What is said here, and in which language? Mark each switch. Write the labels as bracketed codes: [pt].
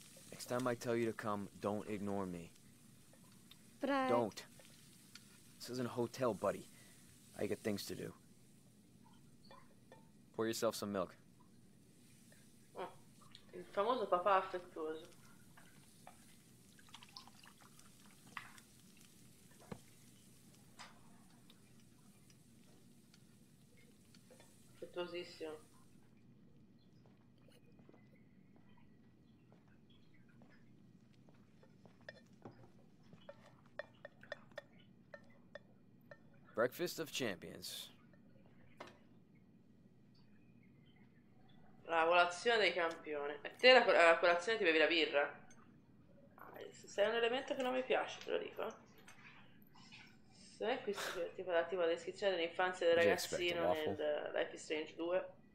[en] Next time I tell you to come, don't ignore me. But I... Don't. This isn't a hotel, buddy. I got things to do. Pour yourself some milk. [it] Il famoso papà affettuoso. Affettuosissimo. [en] Breakfast of Champions. [it] La colazione dei campioni. E te la colazione ti bevi la birra? Sei un elemento che non mi piace, te lo dico. Se non è qui, tipo la descrizione dell'infanzia del ragazzino nel Life is Strange 2.